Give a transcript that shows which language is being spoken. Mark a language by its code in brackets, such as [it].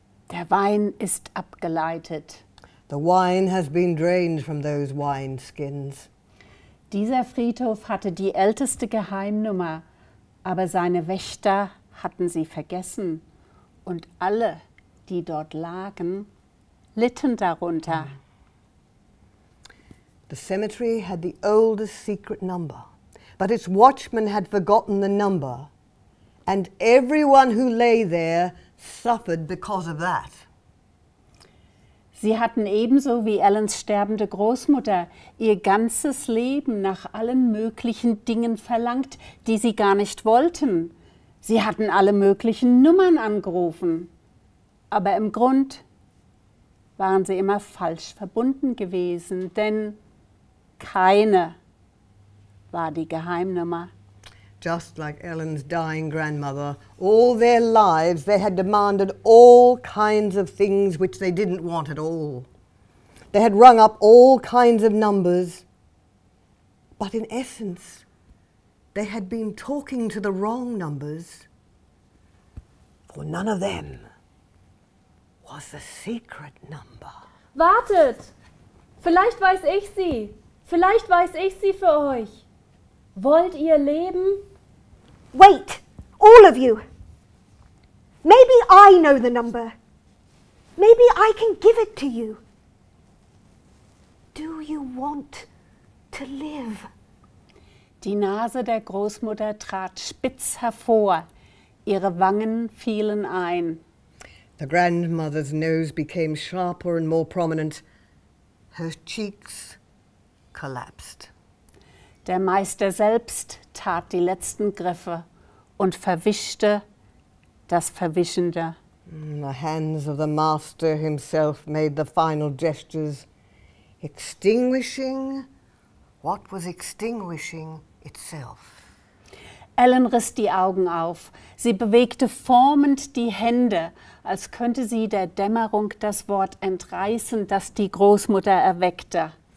[de] Der Wein ist abgeleitet. [en] The wine has been drained from those wine skins. [de] Dieser Friedhof hatte die älteste Geheimnummer, aber seine Wächter hatten sie vergessen. Und alle, die dort lagen, litten darunter. [en] The cemetery had the oldest secret number, but its watchman had forgotten the number, and everyone who lay there suffered because of that. [de] Sie hatten ebenso wie Ellens sterbende Großmutter ihr ganzes Leben nach allen möglichen Dingen verlangt, die sie gar nicht wollten. Sie hatten alle möglichen Nummern angerufen. Aber im Grund waren sie immer falsch verbunden gewesen, denn keine war die Geheimnummer. [en] Just like Ellen's dying grandmother, all their lives they had demanded all kinds of things which they didn't want at all. They had rung up all kinds of numbers, but in essence, they had been talking to the wrong numbers, for none of them was the secret number. [de] Wartet! Vielleicht weiß ich sie! Vielleicht weiß ich sie für euch! Wollt ihr leben? [en] Wait, all of you. Maybe I know the number. Maybe I can give it to you. Do you want to live? [de] Die Nase der Großmutter trat spitz hervor. Ihre Wangen fielen ein. [en] The grandmother's nose became sharper and more prominent. Her cheeks collapsed. [de] Der Meister selbst tat die letzten Griffe. Und verwischte das Verwischende. [en] The hands of the master himself made the final gestures, extinguishing what was extinguishing itself. [de] Ellen riss die Augen auf. Sie bewegte formend die Hände, als könnte sie der Dämmerung das Wort entreißen, das die Großmutter erweckte.